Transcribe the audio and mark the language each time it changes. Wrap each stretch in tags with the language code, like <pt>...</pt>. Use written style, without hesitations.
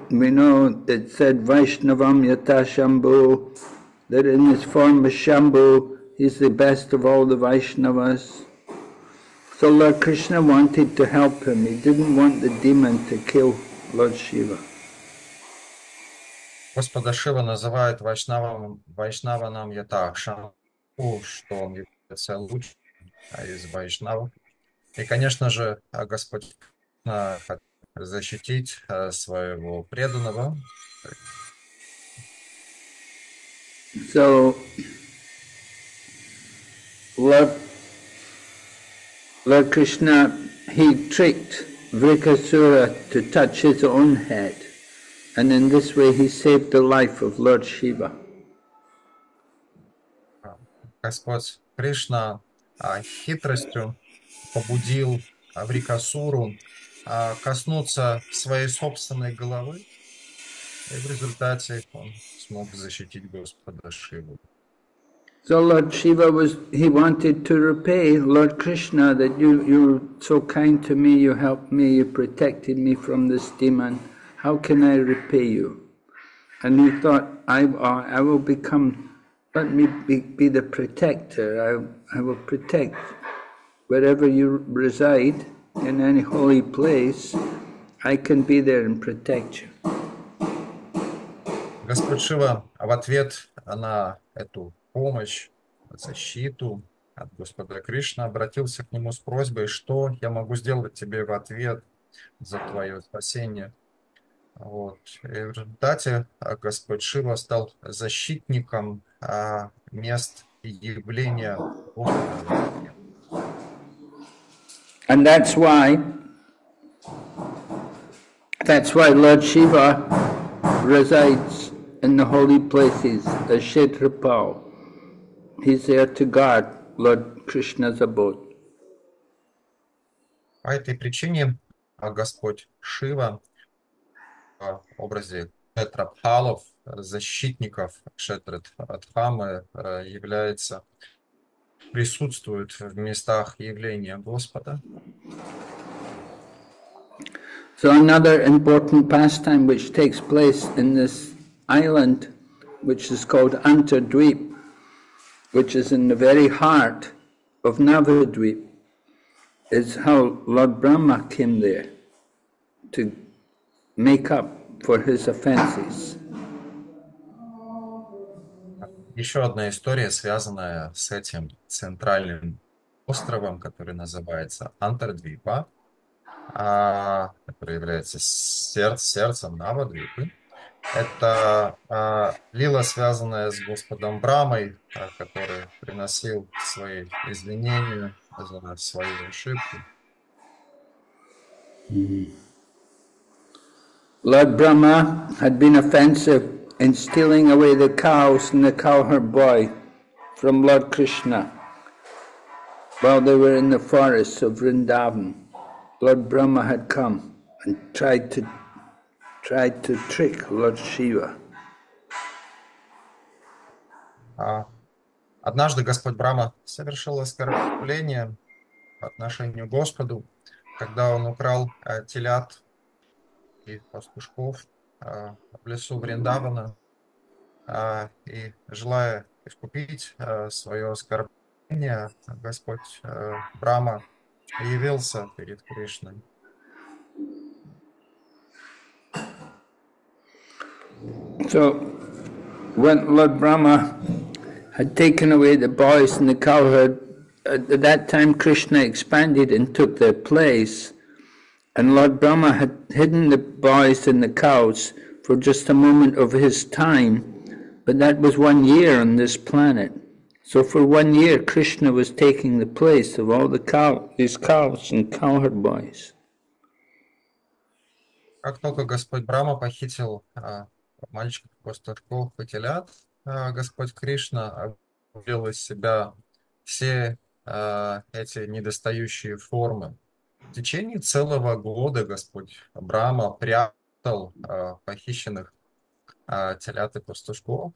<en>We know it said</en> <sa>Vaishnavam Yata Shambhu,</sa> <en>that in his form of Shambhu, he's the best of all the Vaishnavas. So Lord Krishna wanted to help him. He didn't want the demon to kill Lord Shiva.</en> <ru>Господа Шива называет</ru> <sa>Вайшнава нам Ятакшамбу,</sa> <ru>что он является лучшим из Вайшнава. И, конечно же, Господь хотел защитить своего преданного.</ru> <en>So, Lord Krishna, he tricked Vrikasura to touch his own head. And in this way, he saved the life of Lord Shiva.</en> <ru>Господь Кришна хитростью побудил Врикасуру коснуться своей собственной головы, и в результате он смог защитить Господа Шиву.</ru> <en>So Lord Shiva he wanted to repay Lord Krishna that you were so kind to me, you helped me, you protected me from this demon. How can I repay you? And he thought, let me be the protector. I will protect wherever you reside in any holy place. I can be there and protect you.</en> <ru>Господь Шива в ответ на эту помощь, защиту от Господа Кришны обратился к нему с просьбой, что я могу сделать тебе в ответ за твое спасение. Вот. И в результате Господь Шива стал защитником мест явления Бога.</ru> <en>And that's why Lord Shiva resides in the holy places, the Kshetrapal. He's there to guard Lord Krishna's abode.</en> <ru>По этой причине Господь Шива образе кшетрапхалов, защитников кшетрапхамы является, присутствует в местах явления Господа.</ru> <en>So another important pastime which takes place in this island, which is called Navadwipa, which is in the very heart of Navadwipa, is how Lord Brahma came there to make up for his offenses.</en> <ru>Еще одна история, связанная с этим центральным островом, который называется Антардвипа, который является сердцем Навадвипы. Это лила, связанная с Господом Брамой, который приносил свои извинения за свои ошибки.</ru> <en>Lord Brahma had been offensive in stealing away the cows and the cowherd boy from Lord Krishna while they were in the forests of Vrindavan. Lord Brahma had come and tried to trick Lord Shiva.</en> <ru>Однажды Господь Брама совершил оскорбление по отношению к Господу, когда он украл телят и пастушков в лесу Вриндавана, и желая искупить свое оскорбление, Господь Брама явился перед Кришной.</ru> <en>So, when Lord Brahma had taken away the boys and the cowherd, at that time Krishna expanded and took their place. And Lord Brahma had hidden the boys and the cows for just a moment of his time, but that was 1 year on this planet. So for 1 year, Krishna was taking the place of all the cows and cowherd boys.</en> <ru>Как только Господь Брама похитил мальчиков, пастушков, котелят, Господь Кришна вывел из себя все эти недостающие формы. В течение целого года Господь Брама прятал похищенных телят и пастушков.</ru>